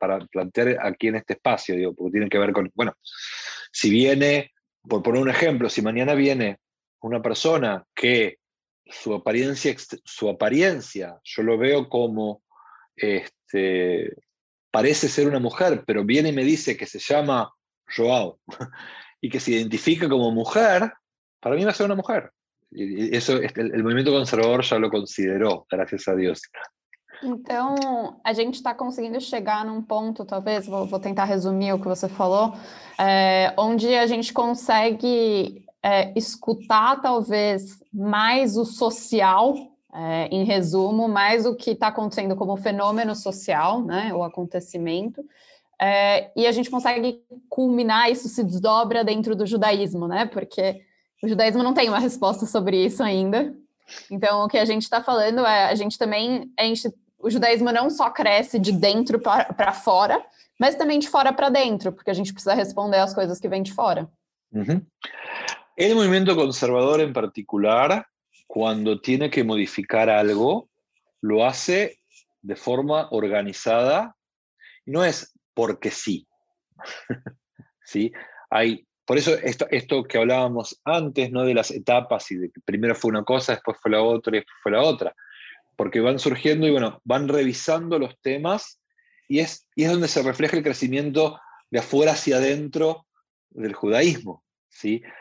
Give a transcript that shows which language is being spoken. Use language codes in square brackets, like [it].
[es] plantear aquí en este espacio, digo, porque tienen que ver con, bueno, si viene, por poner un ejemplo, si mañana viene una persona que su apariencia, yo lo veo como, parece ser una mujer, pero viene y me dice que se llama Joao, y que se identifica como mujer, para mí va a ser una mujer. Eso el movimiento conservador ya lo consideró, gracias a Dios. [pt] Então, a gente está conseguindo chegar num ponto, talvez, vou tentar resumir o que você falou, onde a gente consegue escutar, talvez, mais o social, em resumo, mais o que está acontecendo como fenômeno social, né, o acontecimento, e a gente consegue culminar, isso se desdobra dentro do judaísmo, né, porque o judaísmo não tem uma resposta sobre isso ainda. Então, o que a gente está falando é, o judaísmo não só cresce de dentro para fora, mas também de fora para dentro, porque a gente precisa responder às coisas que vêm de fora. Uhum. O movimento conservador, em particular, quando tem que modificar algo, [es] lo hace de forma organizada. [pt] Não é porque sim. [es] Sí. [pt] Sim? Há... [es] Por eso esto que hablábamos antes, ¿no?, de las etapas y de que primero fue una cosa, después fue la otra y después fue la otra. Porque van surgiendo y bueno, van revisando los temas y es donde se refleja el crecimiento de afuera hacia adentro del judaísmo. ¿Sí?